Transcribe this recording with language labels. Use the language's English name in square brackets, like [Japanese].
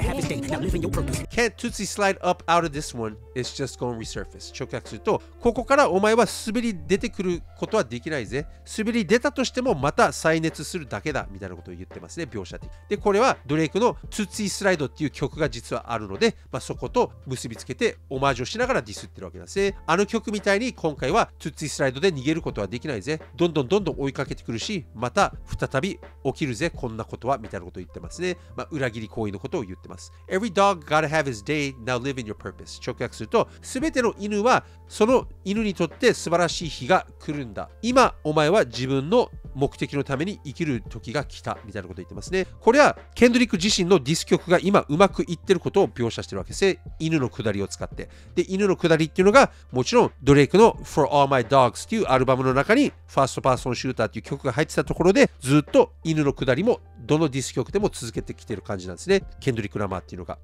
[English] Can't tootsie slide up out of this one, it's just gonna resurface. [Japanese] 直訳すると、ここからお前は滑り出てくることはできないぜ、滑り出たとしてもまた再熱するだけだみたいなことを言ってますね、描写的で。これはドレイクの Tootsie Slide っていう曲が実はあるので、まあ、そこと結びつけてオマージュをしながらディスってるわけですね。あの曲みたいに今回は Tootsie Slide で逃げることはできないぜ、どんどんどんどん追いかけてくるし、また再び起きるぜこんなことはみたいなことを言ってますね。まあ、裏切り行為のことを言ってます。 [English] Every dog gotta have his day, now live in your purpose. [Japanese] 直訳すると、全ての犬はその犬にとって素晴らしい日が来るんだ、今お前は自分の目的のために生きる時が来たみたいなことを言ってますね。これはケンドリック自身のディス曲が今うまくいってることを描写してるわけですね。犬のくだりを使って、で犬のくだりっていうのがもちろんドレイクの For All My Dogs っていうアルバムの中にファーストパーソンシューターっていう曲が入ってたところで、ずっと犬のくだりもどのディス曲でも続けてきてる感じなんですね、ケンドリック・ラマーっていうのが。